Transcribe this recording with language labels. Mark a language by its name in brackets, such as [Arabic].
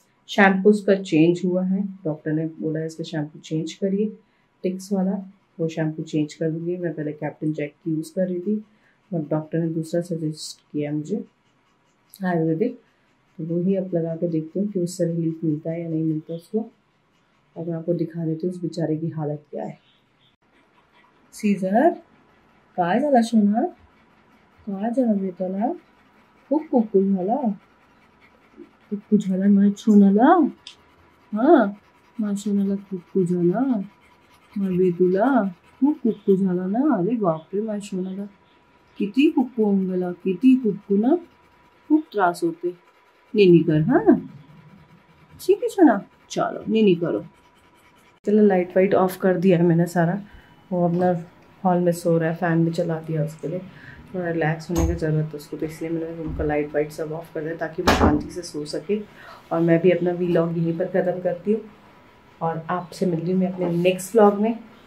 [Hindi] Shampoo उसका change हुआ है, डॉक्टर ने बोला है इसका शैम्पू चेंज करिए टिक्स वाला, वो शैम्पू चेंज कर दूंगी। मैं पहले कैप्टन जैक की यूज़ कर रही थी, और डॉक्टर ने दूसरा सजेस्ट किया मुझे आयुर्वेदिक, तो वो ही अब लगा के देखती हूँ कि उससे रिलीफ मिलता है या नहीं मिलता उसको, और मैं आपको दिखा देती हूँ उस बेचारे की हालत क्या है। [Marathi] सीजर काय झाला सोना, काय झाला बेटाला, खूप कुकुल झाला, कुकू झाला माझ्या सोनाला, हां माझ्या सोनाला कुकू झाला, माझ्या बेतूला खूप कुकू झाला ना, अरे बापरे माझ्या सोनाला किती कुकू होऊन गेला, किती कुकू ना, खूप त्रास होते, नेनी कर हां, ठीक आहे सोना, [Hindi] चलो नेनी करो। चलो लाइट वाइट ऑफ कर दिया है मैंने सारा, वो अपना हॉल में सो रहा है, फैन भी चला दिया उसके लिए, थोड़ा रिलैक्स होने की ज़रूरत है उसको, तो इसलिए मैंने रूम का लाइट वाइट सब ऑफ कर दिया, ताकि वो शांति से सो सके, और मैं भी अपना व्लॉग यहीं पर ख़त्म करती हूँ, और आपसे मिलती हूँ मैं अपने नेक्स्ट व्लॉग में,